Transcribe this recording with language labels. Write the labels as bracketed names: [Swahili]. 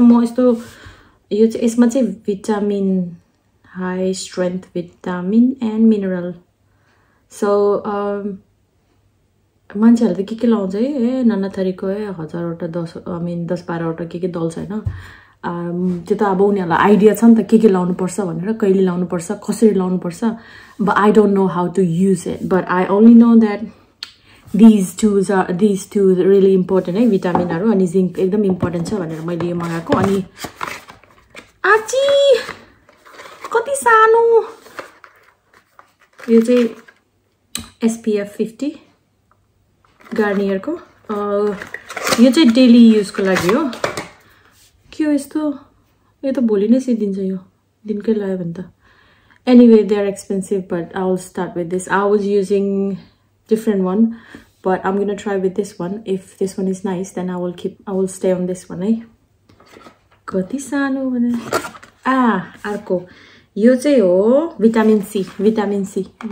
[Nepali] म यस्तो यो चाहिँ यसमा चाहिँ vitamin high strength vitamin and mineral. So मान्छेहरूले त के लगाउँछ है, ए नाना थरीको है हजारवटा दस [English] I mean [Nepali] दस बाह्रवटा के दल्छ होइन. त्यो त अब उनीहरूलाई आइडिया छ नि त के लाउनुपर्छ भनेर, कहिले लाउनुपर्छ कसरी लाउनुपर्छ. [English] But I don't know how to use it, but I only know that these two really important है. [Nepali] भिटामिनहरू अनि जिङ्क एकदम इम्पोर्टेन्ट छ भनेर मैले यो मगाएको. अनि आची कति सानो, यो चाहिँ एसपिएफ 50 गार्नियरको, यो चाहिँ डेली युजको लागि हो. के हो यस्तो, यो त भोलि नै सिद्धिन्छ, यो दिनकै लगायो भने त. [English] Anyway they are expensive but I will start with this. I was using different one but I'm going to try with this one. If this one is nice then I will keep, I will stay on this one है. [Nepali] कति सानो भने अर्को यो चाहिँ हो vitamin C.